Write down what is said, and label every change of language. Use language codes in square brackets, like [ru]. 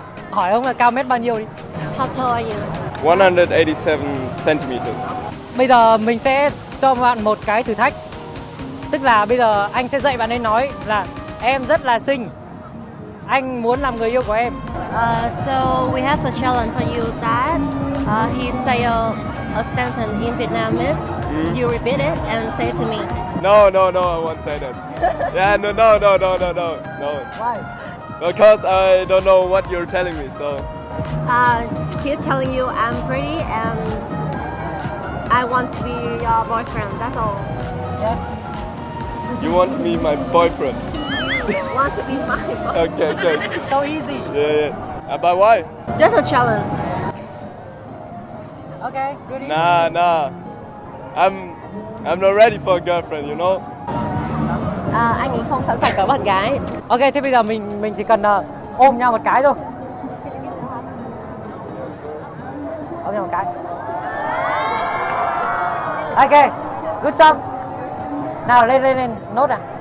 [vi] Hỏi ông là cao mét bao nhiêu đi? [en] How tall are you? 187 centimeters. [vi] Bây giờ mình sẽ cho bạn một cái thử thách. Tức là bây giờ anh sẽ dạy bạn ấy nói là em rất là xinh, anh muốn làm người yêu của em. [en] So we have a challenge for you that he say a sentence in Vietnamese. You repeat it and say to me. No, I won't say that. Yeah, no. Why? Because I don't know what you're telling me, so. He's telling you I'm pretty and I want to be your boyfriend, that's all. Yes. You want to meet my boyfriend? Want to be my boyfriend? Okay, okay. So easy. Yeah, yeah. And by why? Just a challenge. Okay, good evening. Nah, nah. I'm not ready for a girlfriend, you know? [vi] Anh ấy không sẵn sàng có bạn gái. Ok, thế bây giờ mình chỉ cần ôm nhau một cái thôi. Ôm nhau một cái. [en] Ok, good job. [vi] Nào, lên lên lên, nốt à.